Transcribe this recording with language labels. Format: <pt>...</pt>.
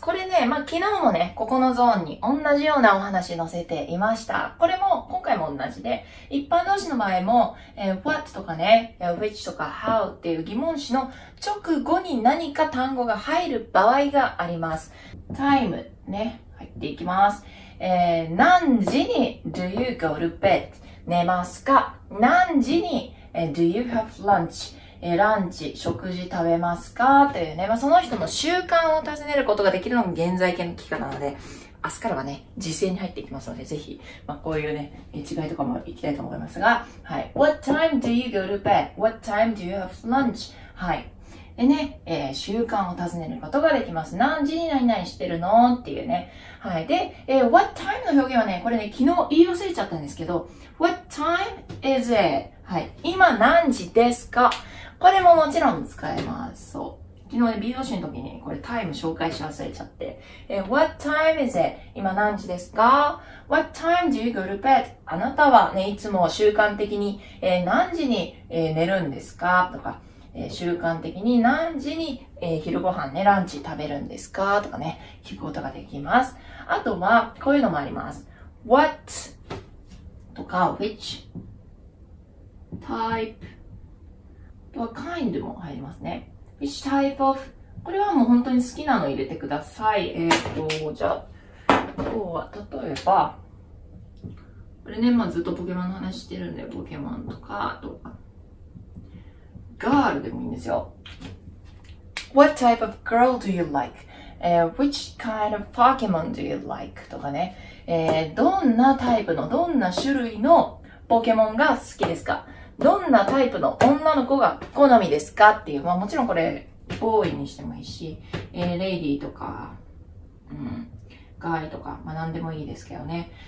<ja>これね、まあ、昨日もね、ここのゾーンに同じようなお話載せていました。これも、今回も同じで、一般動詞の場合も、what とかね、which とか how っていう疑問詞の直後に何か単語が入る場合があります。 time ね、入っていきます。何時に</ja> <en>do you go to bed?</en> <ja>寝ますか? 何時に</ja> <en>do you have lunch?</en> <ja>ランチ、食事食べますかというね。まあ、その人の習慣を尋ねることができるのも現在形の期間なので、明日からはね、時制に入っていきますので、ぜひ、まあ、こういうね、違いとかもいきたいと思いますが、はい。</ja> <en>What time do you go to bed? What time do you have lunch?</en> <ja>はい。でね、習慣を尋ねることができます。何時に何々してるのっていうね。はい。で、What time の表現はね、これね、昨日言い忘れちゃったんですけど、</ja> <en>What time is it?</en> <ja>はい。今何時ですか?これももちろん使えます。そう。昨日ね、B 動詞の時にこれタイム紹介し忘れちゃって。</ja> <en>What time is it?</en> <ja>今何時ですか</ja> <en>?What time do you go to bed?</en> <ja>あなたはね、いつも習慣的に、何時に、寝るんですかとか、習慣的に何時に、昼ご飯ね、ランチ食べるんですかとかね、聞くことができます。あとは、こういうのもあります。 What とか which? type とは kind も入りますね。</ja> <en>which type of</en> <ja>これはもう本当に好きなの入れてください。じゃあ今日は例えばこれね、まあ、ずっとポケモンの話してるんで、ポケモンとかとガールでもいいんですよ。</ja> <en>what type of girl do you like? Which kind of Pokemon do you like?</en> <ja>とかね、どんなタイプのどんな種類のポケモンが好きですか? どんなタイプの女の子が好みですかっていう。まあもちろんこれ、ボーイにしてもいいし、レイディーとか、うん、ガイとか、まあ何でもいいですけどね。</ja>